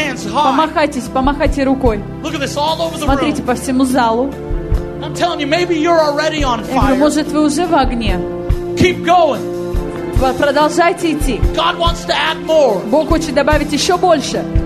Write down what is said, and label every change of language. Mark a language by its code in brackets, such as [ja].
[ru] Помахайтесь, помахайте рукой. Смотрите по всему залу. [en] I'm telling you, maybe you're already on fire. [ru] Я говорю, может, вы уже в огне. [en] Keep going. [ru] Продолжайте идти. [en] God wants to add more. [ru] Бог хочет добавить еще больше.